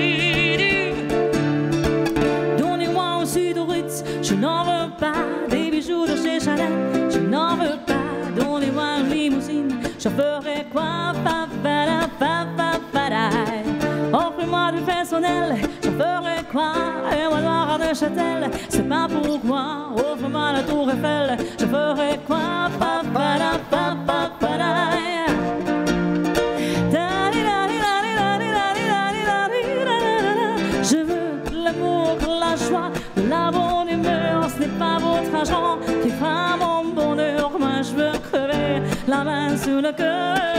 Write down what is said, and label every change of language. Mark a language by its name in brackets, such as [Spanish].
[English] Don't you want to see the Ritz? [French] Je n'en veux pas, des bijoux de chez Chanel. Je n'en veux pas, [English] don't you want a limousine? [French] J'en ferai quoi, pa pa la pa pa pa da. Offre-moi du personnel, j'en ferai quoi? Et voilà à Neuchâtel, c'est pas pour moi. Offre-moi la tour Eiffel, j'en ferai quoi? Pa pa da pa pa pa da. Da di da di da di da di da di da di da di da da da da. Je veux l'amour, la joie, la bonne humeur. Ce n'est pas votre argent qui fera mon bonheur. Moi, je veux crever la main sous le cœur.